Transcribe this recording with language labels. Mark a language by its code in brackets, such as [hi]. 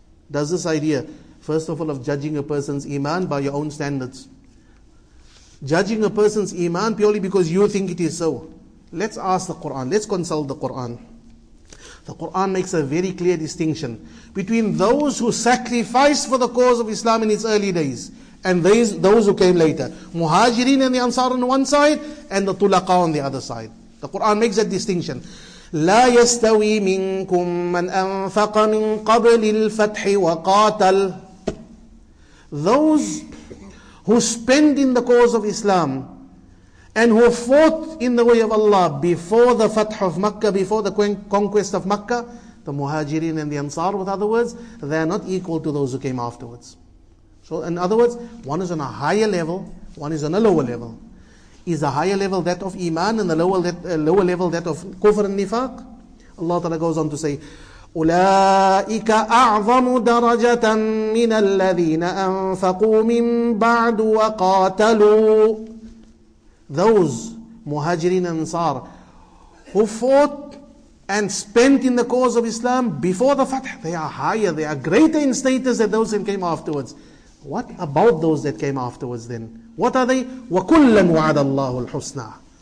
[en] Does this idea, first of all, of judging a person's iman by your own standards, judging a person's iman purely because you think it is so? Let's ask the Quran. Let's consult the Quran. The Quran makes a very clear distinction between those who sacrificed for the cause of Islam in its early days and those who came later. Muhajirin and the Ansar on one side and the Tulaqa on the other side. The Quran makes that distinction. [ar] لا يستوي منكم من أنفق من قبل الفتح وقاتل. [en] Those who spend in the cause of Islam and who fought in the way of Allah before the Fath of Makkah, before the conquest of Makkah, the Muhajirin and the Ansar, with other words, they are not equal to those who came afterwards. So in other words, one is on a higher level, one is on a lower level. Is a higher level that of Iman and the lower level that of Kufr and Nifaq? Allah Ta'ala goes on to say, [ar] أُولَٰئِكَ أَعْظَمُ دَرَجَةً مِّنَ الَّذِينَ أَنفَقُوا مِن بَعْدُ وَقَاتَلُوا. [en] Those Muhajirin and Ansar who fought and spent in the cause of Islam before the Fath, they are higher, they are greater in status than those who came afterwards. What about those that came afterwards then? What are they? [ar] وَكُلًّا وَعَدَ اللَّهُ الْحُسْنَى.